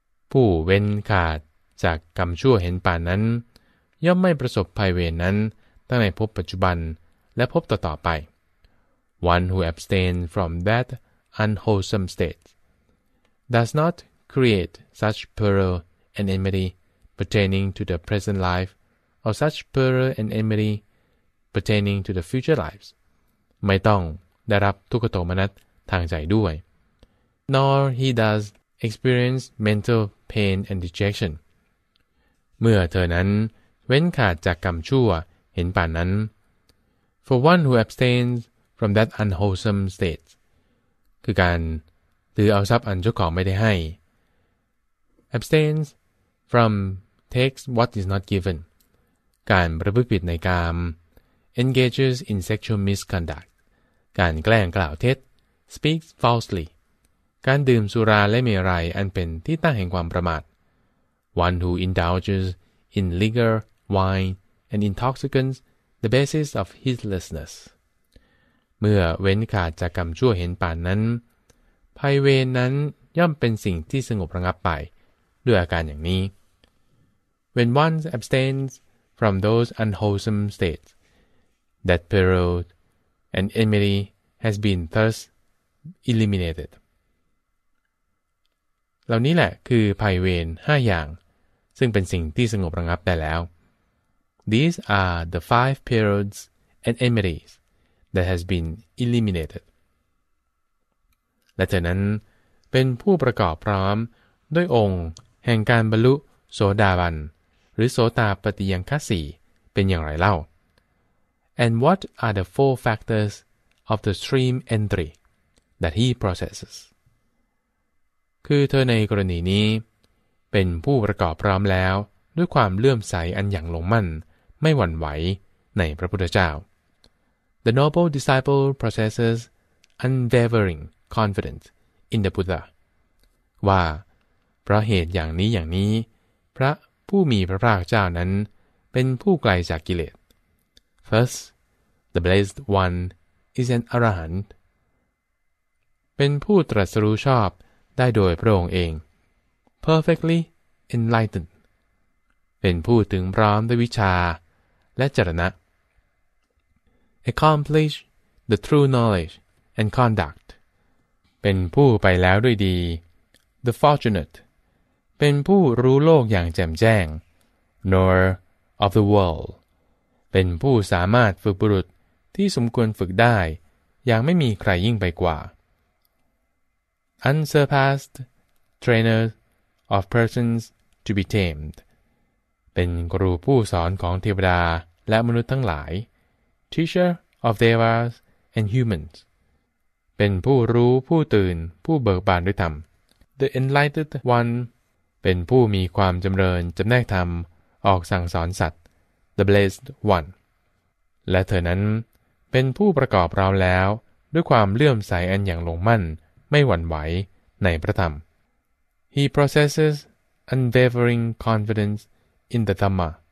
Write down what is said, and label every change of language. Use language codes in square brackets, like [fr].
[th] ผู้เว้นขาดจากกรรมชั่วเห็นป่านนั้นย่อมไม่ประสบภัยเวรนั้นทั้งในภพปัจจุบันและภพต่อๆไป [en] one who abstains from that unwholesome state does not create such peril and enmity pertaining to the present life or such peril and enmitypertaining to the future lives [th] ไม่ต้องได้รับทุกขโทมนัสทางใจด้วย [en] nor he does experience mental pain and dejection [th] เมื่อเธอนั้นเว้นขาดจากกรรมชั่วเห็นป่านนั้น [en] for one who abstains from that unwholesome state [th] คือการถือเอาทรัพย์อันเจ้าของไม่ได้ให้ [en] abstains from takes what is not given [th] การประพฤติผิดในกาม [en] engages in sexual misconduct [th] การแกล้งกล่าวเท็จ [en] speaks falsely [th] การดื่มสุราและเมรัยอันเป็นที่ตั้งแห่งความประมาท [en] one who indulges in liquor wine and intoxicants the basis of heedlessness [th] เมื่อเว้นขาดจากกรรมชั่วเห็นป่านนั้นภัยเวรนั้นย่อมเป็นสิ่งที่สงบระงับไปด้วยอาการอย่างนี้ [en] when one abstains from those unwholesome statesThat peril and enmity has been thus eliminated. [th] เหล่านี้แหละคือภัยเวร5อย่างซึ่งเป็นสิ่งที่สงบระงับได้แล้ว [en] These are the five perils and enmities that has been eliminated. [th] และเธอนั้นเป็นผู้ประกอบพร้อมด้วยองค์แห่งการบรรลุโสดาบันหรือโสตาปัตติยังคะ4เป็นอย่างไรเล่า [en] And what are the four factors of the stream entry that he processes? [th] คือเธอในกรณีนี้เป็นผู้ประกอบพร้อมแล้วด้วยความเลื่อมใสอันอย่างลงมั่นไม่หวั่นไหวในพระพุทธเจ้า [en] The noble disciple processes unwavering confidence in the Buddha. [th] ว่าเพราะเหตุอย่างนี้อย่างนี้พระผู้มีพระภาคเจ้านั้นเป็นผู้ไกลจากกิเลส [en] Thus, the Blessed One is an Arahant. [th] เป็นผู้ตรัสรู้ชอบได้โดยพระองค์เอง [en] Perfectly enlightened. [th] เป็นผู้ถึงพร้อมด้วยวิชาและจรณะ [en] Accomplish the true knowledge and conduct. [th] เป็นผู้ไปแล้วด้วยดี [en] The Fortunate. [th] เป็นผู้รู้โลกอย่างแจ่มแจ้ง [en] Knower of the world. [th] เป็นผู้สามารถฝึกบุรุษที่สมควรฝึกได้อย่างไม่มีใครยิ่งไปกว่า [en] Unsurpassed trainer of persons to be tamed [th] เป็นครูผู้สอนของเทวดาและมนุษย์ทั้งหลาย [en] Teacher of devas and humans [th] เป็นผู้รู้ผู้ตื่นผู้เบิกบานด้วยธรรม [en] The enlightened one [th] เป็นผู้มีความจำเริญจำแนกธรรมออกสั่งสอนสัตว์ [en] The Blessed One [th] และเธอนั้นเป็นผู้ประกอบเราแล้วด้วยความเลื่อมใสอันอย่างลงมั่นไม่หวั่นไหวในพระธรรม [en] He processes unwavering confidence in the Dhamma